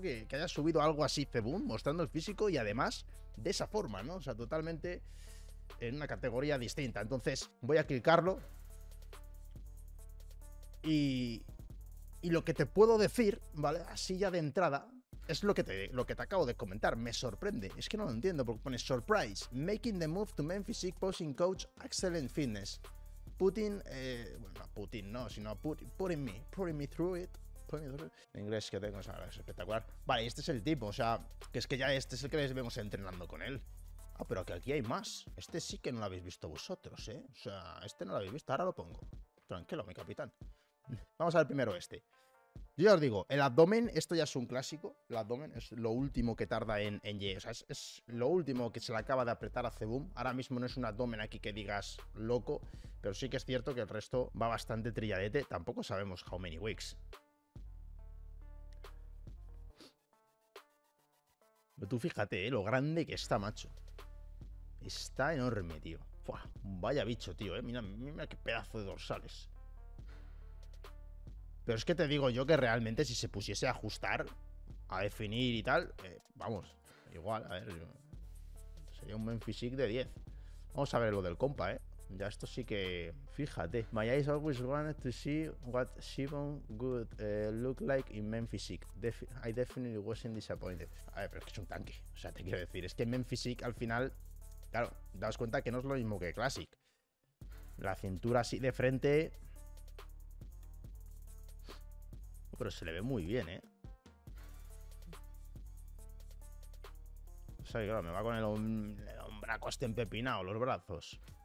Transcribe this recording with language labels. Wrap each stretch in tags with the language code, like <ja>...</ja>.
<es>Que haya subido algo así, Cebum, mostrando el físico y además de esa forma, ¿no? O sea, totalmente en una categoría distinta. Entonces, voy a clicarlo. Y lo que te puedo decir, ¿vale? Así ya de entrada, es lo que te acabo de comentar. Me sorprende. Es que no lo entiendo porque pone Surprise.</es> <en>Making the move to men physique posing coach excellent fitness. Putting,</en> <es>bueno, Putin no, sino</es> <en>putting me through it.</en> <es>En inglés que tengo, o sea, es espectacular. Vale, este es el tipo, o sea, que es que ya este es el que les vemos entrenando con él. Ah, pero que aquí hay más. Este sí que no lo habéis visto vosotros, ¿eh? O sea, este no lo habéis visto, ahora lo pongo. Tranquilo, mi capitán. Vamos a ver primero este. Yo ya os digo, el abdomen, esto ya es un clásico. El abdomen es lo último que tarda en llegar. O sea, es lo último que se le acaba de apretar a Cebum. Ahora mismo no es un abdomen aquí que digas loco, pero sí que es cierto que el resto va bastante trilladete. Tampoco sabemos</es> <en>how many weeks.</en> <es>Pero tú fíjate, lo grande que está, macho. Está enorme, tío. Fua, vaya bicho, tío, ¿eh? Mira qué pedazo de dorsales. Pero es que te digo yo que realmente si se pusiese a ajustar, a definir y tal, vamos, igual, a ver, sería un buen physique de 10. Vamos a ver lo del compa, ¿eh? Ya esto sí que, fíjate.</es> <en>My eyes always wanted to see what Sibon good look like in men physique. I definitely wasn't disappointed.</en> <es>A ver, pero es que es un tanque. O sea, te quiero decir, es que men physique al final, claro, daos cuenta que no es lo mismo que Classic. La cintura así de frente. Pero se le ve muy bien, ¿eh? O sea, que claro, me va con el hombraco este empepinado, los brazos.</es>